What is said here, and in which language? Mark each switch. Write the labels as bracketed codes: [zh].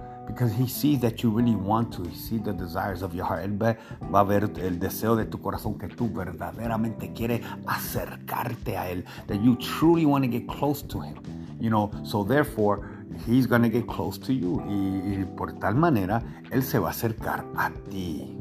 [en] Because he sees that you really want to. He sees the desires of your heart. [es] Él va a ver el deseo de tu corazón que tú verdaderamente quieres acercarte a él. [en] That you truly want to get close to him. You know, so therefore, he's going to get close to you. [es] Y por tal manera, él se va a acercar a ti.